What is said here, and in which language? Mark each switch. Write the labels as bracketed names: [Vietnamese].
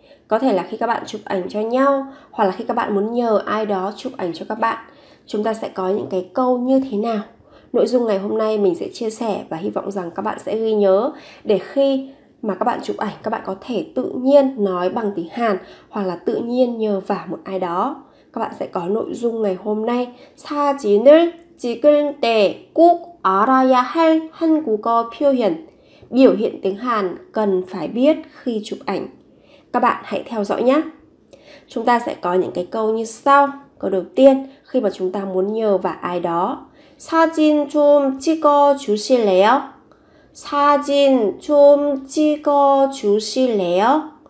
[Vietnamese] Có thể là khi các bạn chụp ảnh cho nhau hoặc là khi các bạn muốn nhờ ai đó chụp ảnh cho các bạn, chúng ta sẽ có những cái câu như thế nào. Nội dung ngày hôm nay mình sẽ chia sẻ và hy vọng rằng các bạn sẽ ghi nhớ để khi mà các bạn chụp ảnh, các bạn có thể tự nhiên nói bằng tiếng Hàn hoặc là tự nhiên nhờ vả một ai đó. Các bạn sẽ có nội dung ngày hôm nay. [Korean] 사진을 찍을 때 꼭 알아야 할 한국어 표현. [Vietnamese] Biểu hiện tiếng Hàn cần phải biết khi chụp ảnh. Các bạn hãy theo dõi nhé. Chúng ta sẽ có những cái câu như sau. Câu đầu tiên, khi mà chúng ta muốn nhờ vả ai đó. [Korean] 사진 좀 찍어 주실래요? 사진 좀 찍어 주실래요?